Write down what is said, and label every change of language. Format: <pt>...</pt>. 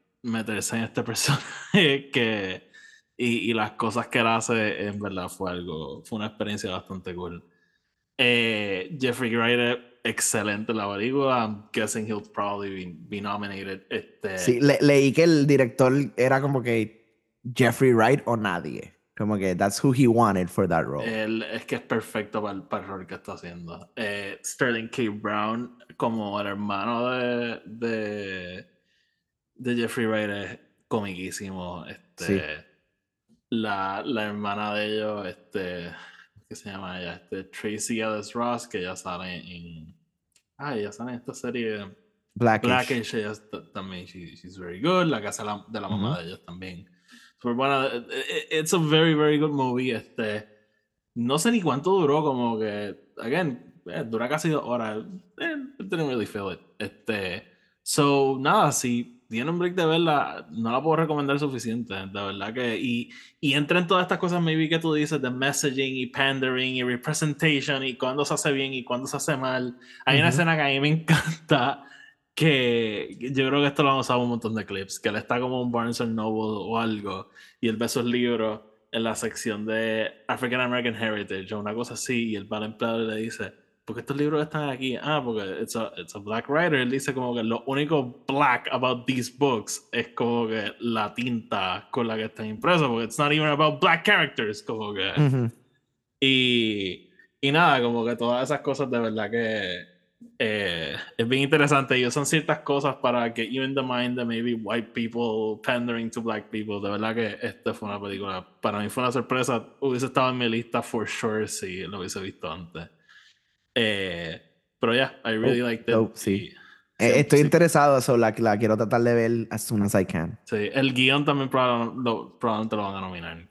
<es>meterse en este personaje que y las cosas que él hace, en verdad fue algo, fue una experiencia bastante cool. Jeffrey Wright, excelente la película.</es> <en>I'm guessing he'll probably be nominated.</en> <es>Sí, leí que el director era como que Jeffrey Wright o nadie. Como que</es> <en>that's who he wanted for that role.</en> <es>Él es que es perfecto para el rol que está haciendo. Sterling K. Brown, como el hermano de Jeffrey Wright, es comiquísimo. Sí. La hermana de ellos, ¿qué se llama ella? Tracy Ellis Ross, que ya sale en... Ah, ya sale en esta serie. Blackish. Ella también,</es> <en>she's very good.</en> <es>La casa de la mamá de ellos también. Pero bueno,</es> <en>it's a very, very good movie.</en> <es>No sé ni cuánto duró, como que...</es> <en>Again,</en> <es>dura casi 2 horas.</es> <en>I didn't really feel it.</en> <es>So, nada, si tienen break de verla, no la puedo recomendar suficiente, de verdad que... Y entra en todas estas cosas,</es> <en>maybe,</en> <es>que tú dices, de</es> <en>messaging</en> <es>y</es> <en>pandering</en> <es>y</es> <en>representation</en> <es>y cuándo se hace bien y cuándo se hace mal. Hay una escena que a mí me encanta, que yo creo que esto lo han usado un montón de clips, que él está como un Barnes & Noble o algo, y él ve sus libros en la sección de African American Heritage o una cosa así, y el mal empleado le dice, ¿por qué estos libros están aquí? Ah, porque</es> <en>it's a black writer.</en> <es>Él dice como que lo único</es> <en>black about these books</en> <es>es como que la tinta con la que están impresos, porque</es> <en>it's not even about black characters,</en> <es>como que. Y nada, como que todas esas cosas, de verdad que es bien interesante. Y son ciertas cosas para</es> <en>get you in the mind of maybe white people pandering to black people.</en> <es>De verdad que esta fue una película, para mí fue una sorpresa. Hubiese estado en mi lista</es> <en>for sure</en> <es>si lo hubiese visto antes. Pero</es> <en>yeah, I really liked it.</en> <es>Estoy interesado, so la quiero tratar de ver</es> <en>as soon as I can.</en> <es>Sí, el guion también probablemente lo van a nominar.</es>